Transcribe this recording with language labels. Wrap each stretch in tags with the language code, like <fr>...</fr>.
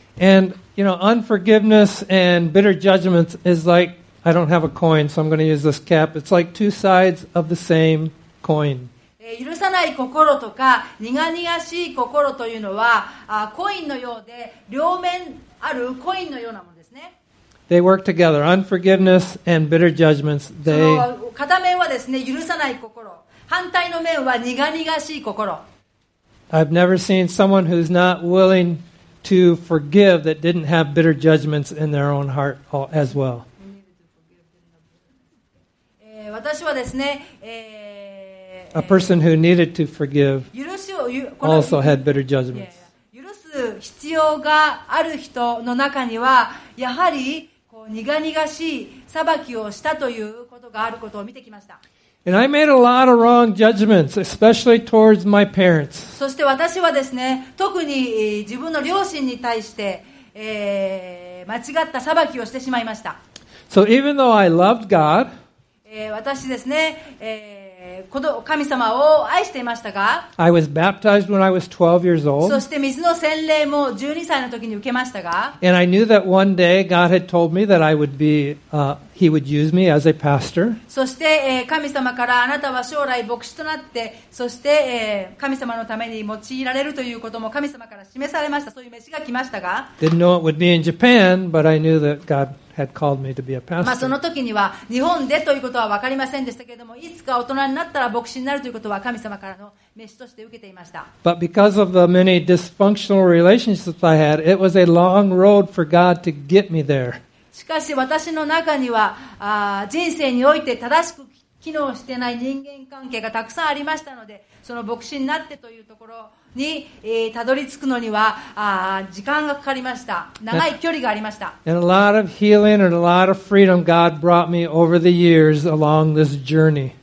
<en>And you know unforgiveness and bitter judgments is like I don't have a coin so I'm going to use this cap. It's like two sides of the same coin.</en> <ja>許さない心とか苦々しい心というのはコインのようで両面あるコインのようなものですね。</ja> <en>They work together. Unforgiveness and bitter judgments. They...</en> <ja>その片面はですね、許さない心。反対の面は苦々しい心。</ja> <en>I've never seen someone who's not willing to forgive that didn't have bitter judgments in their own heart as well.</en> <ja>私はですね、</ja> <en>A person who needed to forgive also had bitter judgments.</en> <ja>許す必要がある人の中にはやはり苦々しい裁きをしたということがあることを見てきました。</ja> <en>And I made a lot of wrong judgments, especially towards my parents.</en> <ja>そして私はですね、特に自分の両親に対して間違った裁きをしてしまいました。</ja> <en>So even though I loved God,</en> <ja>私ですね、神様を愛していましたが</ja> <en>I was baptized when I was 12 years old.</en> <ja>そして水の洗礼も12歳の時に受けましたが</ja> <en>And I knew that one day God had told me that I would be, He would use me as a pastor.</en> <ja>そして神様からあなたは将来牧師となってそして神様のために用いられるということも神様から示されましたそういう召しが来ましたが</ja> <en>Didn't know it would be in Japan, but I knew that GodHad called me to be a pastor.</en> <ja>まあその時には日本でということは分かりませんでしたけれどもいつか大人になったら牧師になるということは神様からの召しとして受けていました。</ja> <en>But because of the many dysfunctional relationships I had, it was a long road for God to get me there.</en> <ja>しかし私の中には人生において正しく機能していない人間関係がたくさんありましたので、その牧師になってというところにたどり着くのには時間がかかりました。長い距離がありました。</ja> <en>And a lot of healing and a lot of freedom God brought me over the years along this journey.</en>